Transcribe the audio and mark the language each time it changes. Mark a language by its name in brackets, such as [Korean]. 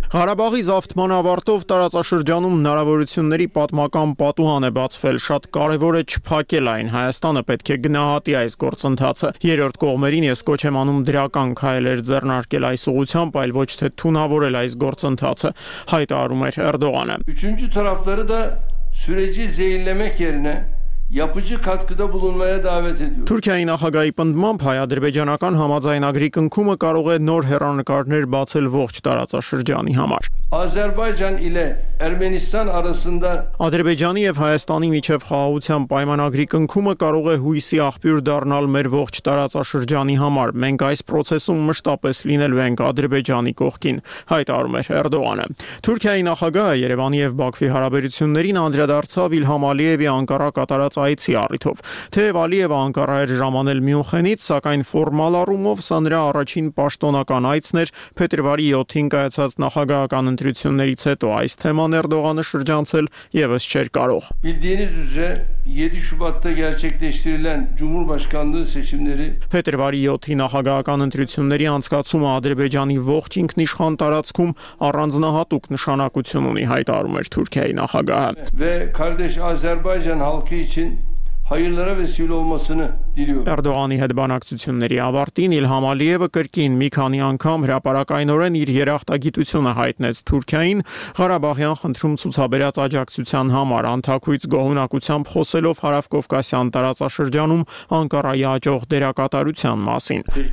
[Armenian] Ղարաբաղի զավթման ավարտով տարածաշրջանում հնարավորությունների պատմական պատուհան է բացվել, շատ կարևոր է չփակել այն։ Հայաստանը պետք է գնահատի այս գործընթացը։ Երրորդ կողմերին ես կոչ եմ անում դրական քայլեր ձեռնարկել այս ուղությամբ, այլ ոչ թե թունավորել այս գործընթացը, հայտարարում էր Էրդողանը։ [Turkish] Üçüncü tarafları da süreci zehirlemek yerine yapıcı katkıda bulunmaya davet ediyorum. [Armenian] Թուրքիայի նախագահի պնդմամբ հայ-ադրբեջանական համաձայնագրի կնքումը կարող է նոր հեռանկարներ բացել ողջ տարածաշրջանի համար։ [Turkish] Ադրբեջան ile Ermenistan arasında [Armenian] Ադրբեջանի եւ Հայաստանի միջև խաղաղության պայմանագրի կնքումը կարող է հույսի աղբյուր դառնալ մեր ողջ տարածաշրջանի համար։ Մենք այս պրոցեսում մշտապես լինելու ենք Ադրբեջանի կողքին, հայտարարում է Էրդողանը։ Թուրքիայի նախագահը Երևանի եւ Բաքվի հարաբերություններին անդրադարձավ Իլհամ Ալիևի Անկարա կատարած այցի առիթով։ Թեև Ալիևը Անկարա էր ժամանել Մյունխենից, սակայն ֆորմալ առումով սա նրա առաջին պաշտոնական այցն էր փետրվարի 7-ին կայացած նախագահական ընտրություններից հետո։ Այս թեման Էրդողանը շրջանցել եւս չէր կարող։ [Turkish] Bildiğiniz üzere 7 Şubat'ta gerçekleştirilen Cumhurbaşkanlığı seçimleri [Armenian] Փետրվարի 7-ի նախագահական ընտրությունների անցկացումը Ադրբեջանի ողջ ինքնիշխան տարածքում առանձնահատուկ նշանակություն ունի, հայտարարում էր Թուրքիայի նախագահը։ [Turkish] Ve kardeş Azerbaycan halkı için hayırlara vesile olmasını diliyorum. [Armenian] Erdoğan'ı հետ բանակցությունների ավարտին Իլհամ Ալիևը կրկին մի քանի անգամ հրապարակայնորեն իր երախտագիտությունը հայտնեց Թուրքիային Ղարաբաղյան խնդրում ցուցաբերած աջակցության համար, անթակույց գոհունակությամբ խոսելով Հարավկովկասյան տարածաշրջանում Անկարայի աջող դերակատարության մասին։